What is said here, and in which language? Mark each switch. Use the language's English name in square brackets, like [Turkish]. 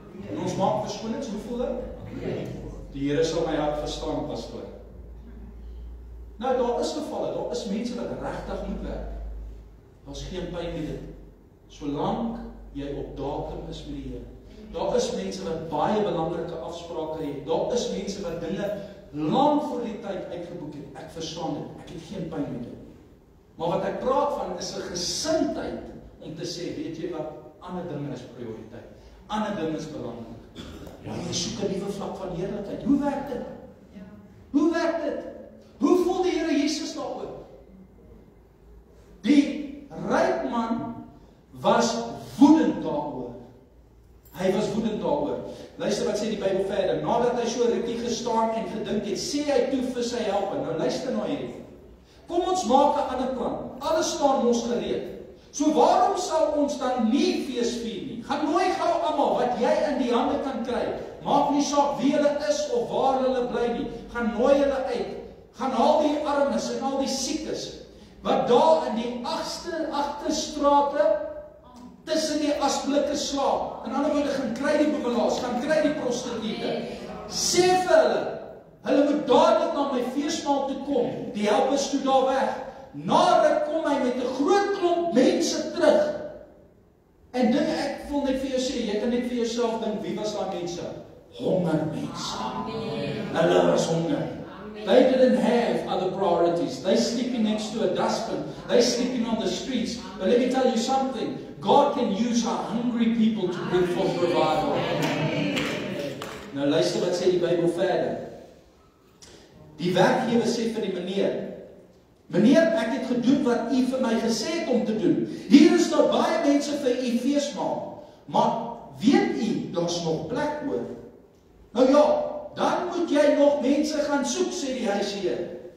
[Afrikaans] En ons maak verskonings, hoe voel dit? Die Here sal my help verstaan, pastoor. Nou, daar is gevalle, daar is mense wat regtig moet werk. Daar is geen pyn in dit. Solank jy op datum is met die Here. Daar is mense wat baie belangrike afsprake het. Daar is mense wat dinge lang voor die tyd uitgeboek het. Ek verstaan dit. Ek het geen pyn in dit. Maar wat ek praat van is 'n gesindheid om te sê, weet jy wat, ander dinge is prioriteit. Ander dinge is belangrik. Ja, jy soek 'n nuwe vlak van heerlikheid. Hoe werk dit? Hoe werk dit? Hoe voel die Here Jesus daaroor? Die ryk man was woedend daaroor. Hy was woedend daaroor. Luister wat sê die Bybel verder. Nadat hy so rukkie gestaan en gedink het, sê hy toe vir sy helper. Nou luister na hierdie. Kom ons maak 'n ander plan. Alles staan mos gereed. So waarom sal ons dan nie fees vier nie? Gaan nooi gou almal wat jy in die hande kan kry. Maak nie saak wie hulle is of waar hulle bly nie. Gaan nooi hulle uit. Gaan haal die armes en al die siekes wat daar in die agterstrate tussen die asblikke slaap. In ander woorde, gaan kry die bemelaars, gaan kry die prostituie. Sê vir hulle, hulle moet dadelik na my feesmaal toe kom. Die help is toe daar weg. Nadat kom hy met 'n groot klomp mense terug. En dink ek wil net vir jou sê, jy kan net vir jouself dink, wie was daai mense? Honger mense. Amen. Hulle was honger. [English] They didn't have other priorities. They sleeping next to a dustbin. They sleeping on the streets. But let me tell you something. God can use our hungry people to bring forth revival. [Afrikaans] Nou luister wat sê die Bybel verder. Die werkgewer sê vir die meneer, "Meneer, ek het gedoen wat u vir my gesê het om te doen. Hier is nog baie mense vir u feesmaal. Maar weet u, daar's nog plek oor." Nou ja, dan moet jy nog mense gaan soek, sê die huisheer.